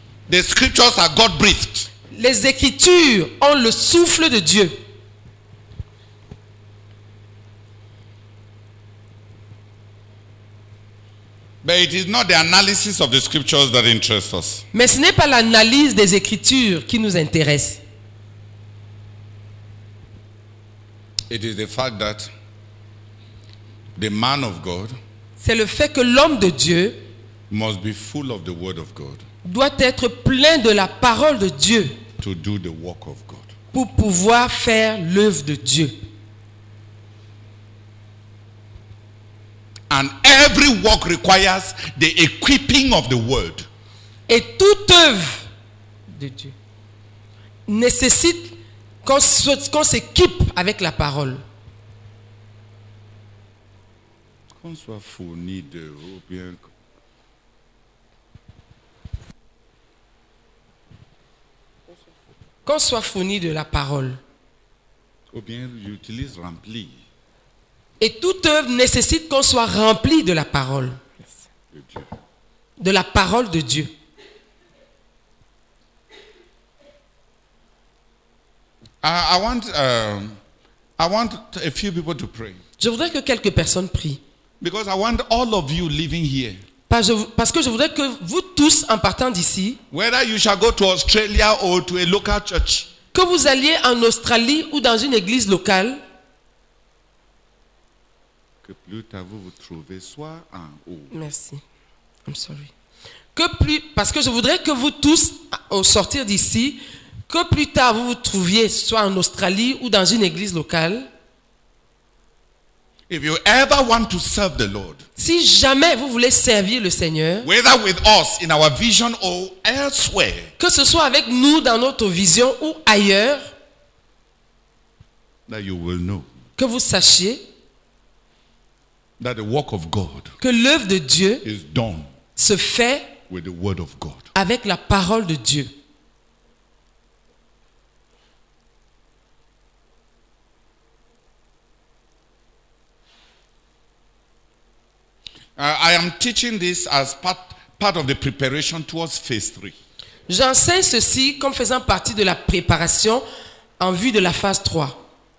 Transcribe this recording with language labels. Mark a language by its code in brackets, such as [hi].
[en] The scriptures are God-breathed. [fr] Les écritures ont le souffle de Dieu. [en] But it is not the analysis of the scriptures that interests us. [fr] Mais ce n'est pas l'analyse des écritures qui nous intéresse. [en] It is the fact that the man of God, [fr] c'est le fait que l'homme de Dieu, [en] must be full of the word of God, [fr] doit être plein de la parole de Dieu, [en] to do the work of God, [fr] pour pouvoir faire l'œuvre de Dieu. [en] And every work requires the equipping of the word. [fr] Et toute œuvre de Dieu nécessite qu'on s'équipe avec la parole. Qu'on soit fourni de ou bien. Qu'on soit fourni de la parole. Ou bien j'utilise rempli. Et toute œuvre nécessite qu'on soit rempli de la parole. De Dieu. De la parole de Dieu. [en] I want a few people to pray. [fr] Je voudrais que quelques personnes prient. [en] Because I want all of you living here. [fr] Parce que je voudrais que vous tous en partant d'ici. [en] Whether you shall go to Australia or to a local church. [fr] Que vous alliez en Australie ou dans une église locale. Que plus tard vous vous trouvez soit en haut. Merci. [en] I'm sorry. [fr] Que plus, parce que je voudrais que vous tous au sortir d'ici, que plus tard vous vous trouviez soit en Australie ou dans une église locale. [en] If you ever want to serve the Lord, [fr] si jamais vous voulez servir le Seigneur, [en] whether with us in our vision or elsewhere, [fr] que ce soit avec nous dans notre vision ou ailleurs, [en] that you will know, [fr] que vous sachiez [en] that the work of God, [fr] que l'œuvre de Dieu [en] is done, [fr] se fait [en] with the word of God, [fr] avec la parole de Dieu. [en] I am teaching this as part of the preparation towards phase 3. [fr] J'enseigne ceci comme faisant partie de la préparation en vue de la phase 3.